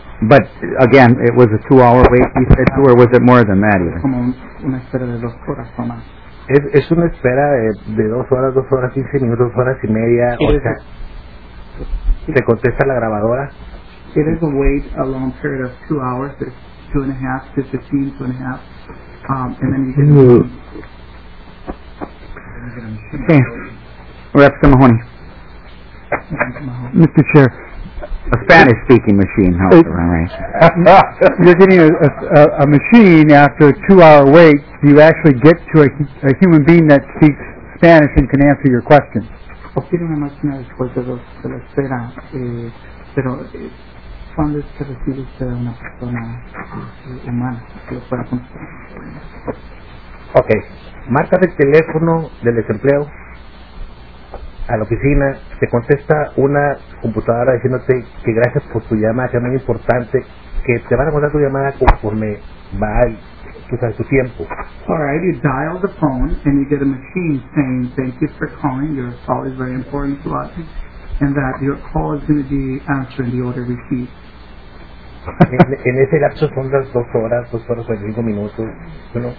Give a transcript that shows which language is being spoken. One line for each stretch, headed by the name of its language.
English: But again, it was a 2-hour wait, he said, too, or was it more than that? Even?
Spanish: Como una espera de 2 horas o más. Es una espera de 2 horas, 15 minutos, 2 horas y media. O sea, se contesta la grabadora.
English: It is a wait a long period of 2 hours. It's 2.5 to 15, 2.5, and then you get. Okay, Representative Mahoney. Mr. Chair, a Spanish-speaking machine. You're getting a machine after a 2-hour wait. Do you actually get to a human being that speaks Spanish and can answer your questions?
Spanish: Obtiene una máquina después de la espera, pero. ¿Cuándo es que recibe usted a una persona humana que lo pueda contestar? Ok, marca el teléfono del desempleo a la oficina, te contesta una computadora diciéndote que gracias por tu llamada, que es muy importante, que te van a contar tu llamada conforme va gracias a su tiempo.
English: All right, you dial the phone and you get a machine saying thank you for calling, your call is very important to us, and that your call is going to be answered in the order received.
Spanish: En ese lapso son las dos horas 45 minutos,
English: you know?